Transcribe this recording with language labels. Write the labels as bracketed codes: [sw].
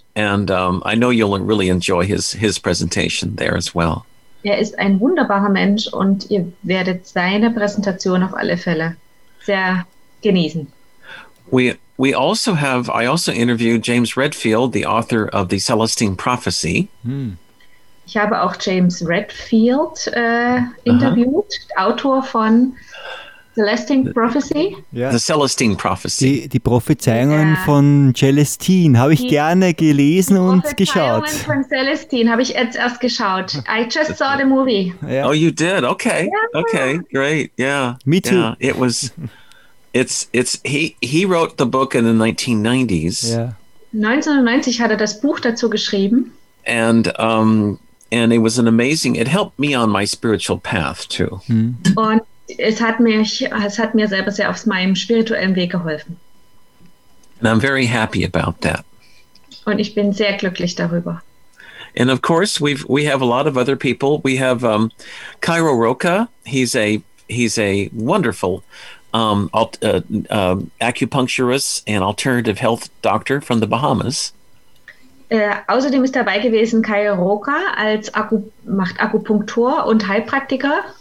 [en] And I know you'll really enjoy his presentation there as well. [de] Er ist ein wunderbarer Mensch und ihr werdet seine Präsentation auf alle Fälle sehr genießen. [en] I also interviewed James Redfield, the author of The Celestine Prophecy. Hmm. [de] Ich habe auch James Redfield interviewt, uh-huh. Autor von Celestine Prophecy. [en] Yeah. The Celestine Prophecy. [de] Die Prophezeiungen yeah. von Celestine habe ich gerne gelesen und geschaut. Die Prophezeiungen von Celestine habe ich jetzt erst geschaut. [en] I just saw the movie. Yeah. Oh, you did? Okay. Yeah. Okay, great. Yeah. Me too. Yeah. It was, he wrote the book in the 1990s. Yeah. [de] 1990 hat er das Buch dazu geschrieben. [en] And, and it was an amazing, it helped me on my spiritual path too. Mm. [de] Und es hat mir selber sehr auf meinem spirituellen Weg geholfen. [en] And I'm very happy about that. [de] Und ich bin sehr glücklich darüber. [en] And of course, we have a lot of other people. We have Cairo Roca. He's a wonderful acupuncturist and alternative health doctor from the Bahamas. [de] Außerdem ist dabei gewesen Kai Roca als Akupunktur und Heilpraktiker.